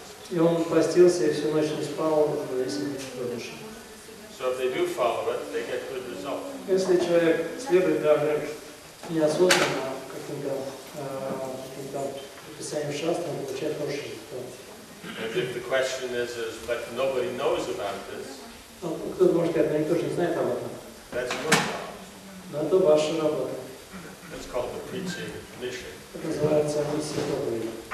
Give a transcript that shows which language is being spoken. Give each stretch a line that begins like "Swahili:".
Russian: И он постился и всю ночь не спал, если не чудовище.
English: So if they do follow it, they get good results.
Russian: Если человек следует даже неосознанно каким-то писанием шаст, он получает хороший результат.
English: And if the question is, but nobody knows about this.
Russian: Ну, кто-то может сказать, но никто же не знает об этом.
English: That's your job.
Russian: Но это ваша работа.
English: It's called the preaching mission.
Russian: Это называется миссия проповеди.